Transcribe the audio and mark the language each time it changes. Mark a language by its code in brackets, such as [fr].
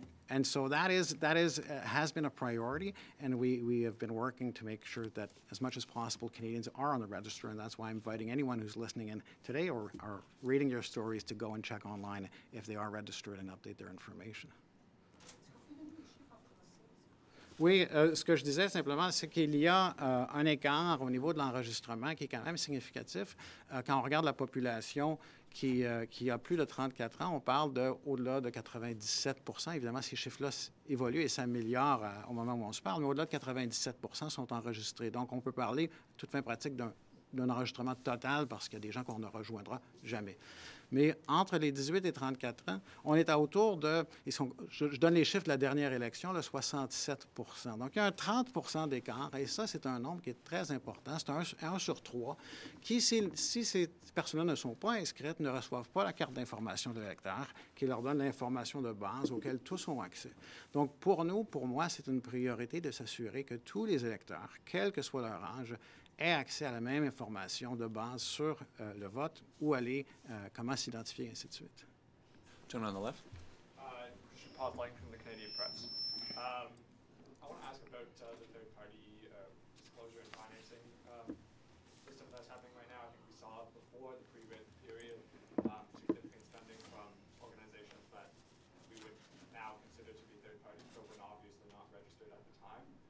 [en] And so has been a priority, and we have been working to make sure that as much as possible Canadians are on the register, and that's why I'm inviting anyone who's listening in today or are reading your stories to go and check online if they are registered and update their information. [fr] Oui, ce que je disais simplement, c'est qu'il y a un écart au niveau de l'enregistrement qui est quand même significatif. Quand on regarde la population qui a plus de 34 ans, on parle de au-delà de 97%. Évidemment, ces chiffres-là évoluent et s'améliorent au moment où on se parle, mais au-delà de 97% sont enregistrés. Donc, on peut parler, toute fin pratique, d'un enregistrement total parce qu'il y a des gens qu'on ne rejoindra jamais. Mais entre les 18 et 34 ans, on est à autour de, je donne les chiffres de la dernière élection, le 67 %. Donc, il y a un 30 % d'écart, et ça, c'est un nombre qui est très important. C'est un sur trois qui, si ces personnes-là ne sont pas inscrites, ne reçoivent pas la carte d'information de l'électeur qui leur donne l'information de base auxquelles tous ont accès. Donc, pour nous, pour moi, c'est une priorité de s'assurer que tous les électeurs, quel que soit leur âge, ait accès à la même information de base sur le vote, où aller, comment s'identifier, ainsi de suite. [en] Gentleman on the left. [fr] Je parle de [en] Mike from the Canadian Press. I want to ask about the third party disclosure and financing system that's happening right now. I think we saw before the pre-rent period significant spending from organizations that we would now consider to be third party, but were obviously not registered at the time.